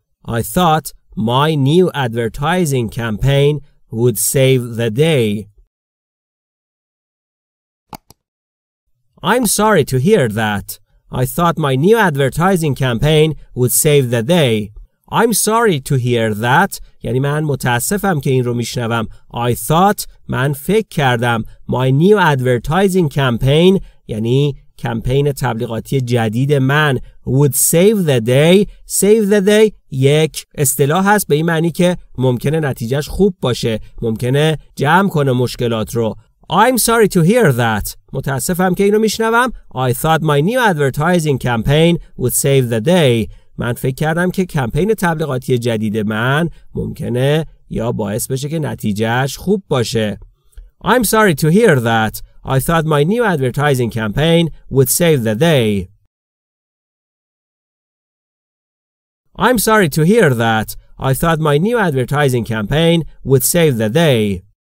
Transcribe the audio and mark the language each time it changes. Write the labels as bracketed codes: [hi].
[en] I thought my new advertising campaign would save the day. I'm sorry to hear that. I thought my new advertising campaign would save the day. I'm sorry to hear that. [fa] یعنی من متاسفم که این رو میشنوم. [en] I thought [fa] من فکر کردم [en] my new advertising campaign [fa] یعنی کمپین تبلیغاتی جدید من [en] would save the day. Save the day [fa] یک اصطلاح هست به این معنی که ممکنه نتیجهش خوب باشه، ممکنه جمع کنه مشکلات رو. [en] I'm sorry to hear that. [fa] متاسفم که اینو میشنوم. [en] I thought my new advertising campaign would save the day. [fa] من فکر کردم که کمپین تبلیغاتی جدید من ممکنه یا باعث بشه که نتیجهش خوب باشه. [en] I'm sorry to hear that. I thought my new advertising campaign would save the day. I'm sorry to hear that. I thought my new advertising campaign would save the day.